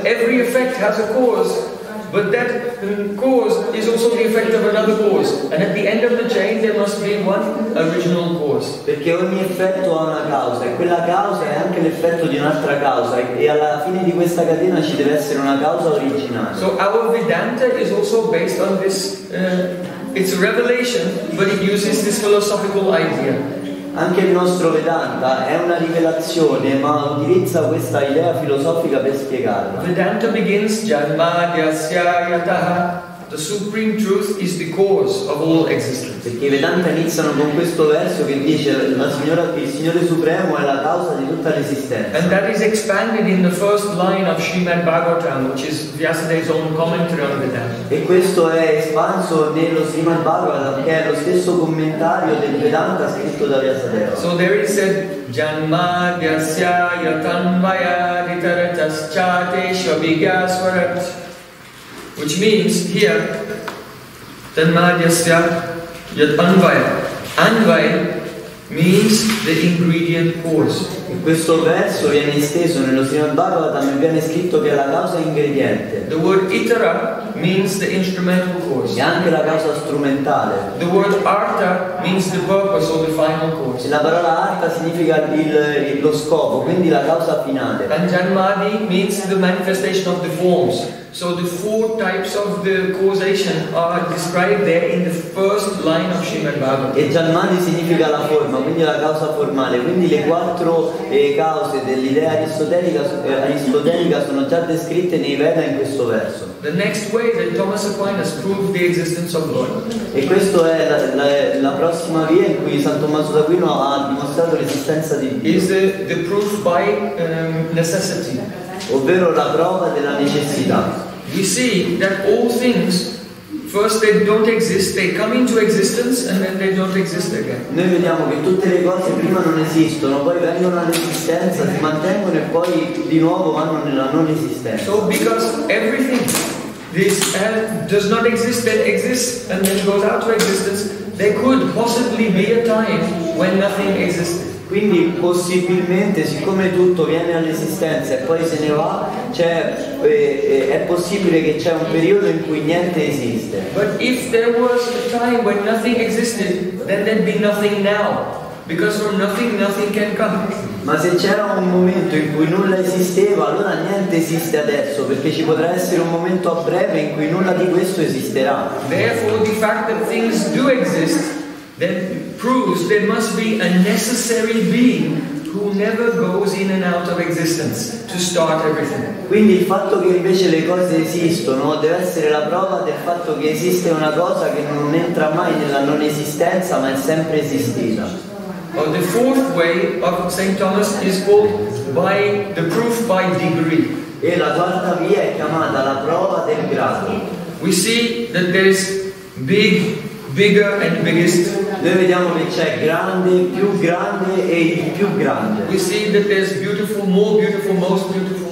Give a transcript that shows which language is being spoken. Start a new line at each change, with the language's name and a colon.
English: Every effect has a cause, but that cause is also the effect of another cause. And at the end of the chain, there must be one original cause.
Italian: Perché ogni effetto ha una causa, e quella causa è anche l'effetto di un'altra causa, e alla fine di questa catena ci deve essere una causa originale.
English: So our Vedanta is also based on this. It's a revelation, but it uses this philosophical idea.
Italian: Anche il nostro Vedanta è una rivelazione, ma utilizza questa idea filosofica per spiegarla.
English: Vedanta begins
Sanskrit: Janma Yasya Yataha.
English: The supreme truth is the cause of all existence.
Italian: Perché Vedanta iniziano con questo verso che dice la signora, il Signore Supremo è la causa di tutta l'esistenza.
English: And that is expanded in the first line of Srimad Bhagavatam, which is Vyasadeva's own commentary on Vedanta.
Italian: E questo è espanso nello Srimad Bhagavatam, che è lo stesso commentario del Vedanta scritto da Vyasadeva.
English: So there is said
Sanskrit: Janma Yasya Yatanvaya Ritaratashchate Shabhigaswarat.
English: Which means here,
Sanskrit: tanmayasya yat anvaya.
English: Anvaya means the ingredient cause.
Italian: In questo verso viene esteso nello Srimad Bhagavatam e viene scritto che è la causa ingrediente.
English: The word itara means the instrumental cause.
Italian: E anche la causa strumentale.
English: The word artha means the purpose or the final cause.
Italian: E la parola artha significa lo scopo, quindi la causa finale.
English: And janmadi means the manifestation of the forms. So the four types of the causation are described there in the first line of Srimad Bhagavatam.
Italian: E janmadi significa la forma, quindi la causa formale. Quindi le quattro cause dell'idea aristotelica sono già descritte nei Veda in questo verso.
English: The next way that Thomas Aquinas proved the existence of God.
Italian: E questo è la prossima via in cui San Tommaso d'Aquino ha dimostrato l'esistenza di Dio.
English: Is the proof by necessity.
Italian: Ovvero la prova della necessità.
English: We see that all things, first they don't exist, they come into existence and then they don't exist again.
Italian: Noi vediamo che tutte le cose prima non esistono, poi vengono all'esistenza, si mantengono e poi di nuovo vanno nella non esistenza.
English: So because everything this does not exist, then exists and then goes out of existence, there could possibly be a time when nothing existed.
Italian: Quindi possibilmente, siccome tutto viene all'esistenza e poi se ne va, è possibile che c'è un periodo in cui niente esiste.
English: But if there was a time when nothing existed, then there'd be nothing now. Because from nothing, nothing can come.
Italian: Ma se c'era un momento in cui nulla esisteva, allora niente esiste adesso, perché ci potrà essere un momento a breve in cui nulla di questo esisterà.
English: Therefore the fact that things do exist, then proves there must be a necessary being who never goes in and out of existence to start everything.
Italian: Quindi il fatto che invece le cose esistono deve essere la prova del fatto che esiste una cosa che non entra mai nella non esistenza ma è sempre esistita.
English: Well, the fourth way of St. Thomas is called by the proof by degree.
Italian: E la quarta via è chiamata la prova del grado.
English: We see that there is big, bigger and biggest.
Italian: Noi vediamo che c'è grande, più grande e il più grande.
English: We see that there's beautiful, more beautiful, most beautiful.